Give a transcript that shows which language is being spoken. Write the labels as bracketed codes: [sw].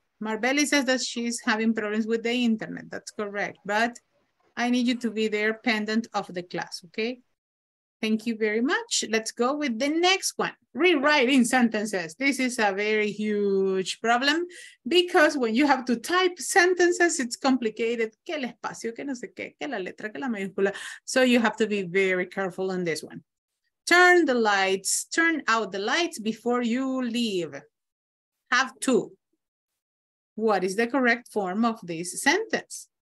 [en] Marbelli says that she's having problems with the internet. That's correct. But I need you to be there pendant of the class, okay? Thank you very much. Let's go with the next one. Rewriting sentences. This is a very huge problem because when you have to type sentences, it's complicated. [es] Que el espacio, que no sé qué, que la letra, que la mayúscula. [en] So you have to be very careful on this one. Turn out the lights before you leave. Have to. What is the correct form of this sentence?